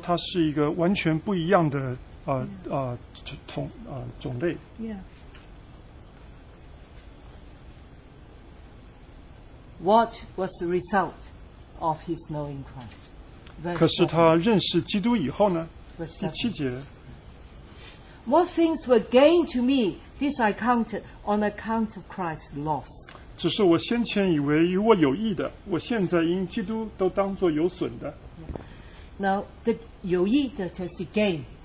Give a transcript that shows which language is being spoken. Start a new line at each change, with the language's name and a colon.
Chinese: 他这一切的背景好像说他是一个完全不一样的 种类。
English: Yeah. What was the result of his knowing Christ?
Chinese: 可是他认识基督以后呢? 第七节,
English: what things were gained to me, this I counted on account of Christ's loss.
Chinese: 只是我先前以为与我有益的, 我现在因基督都当作有损的。
English: Now, the 有益的 just to gain.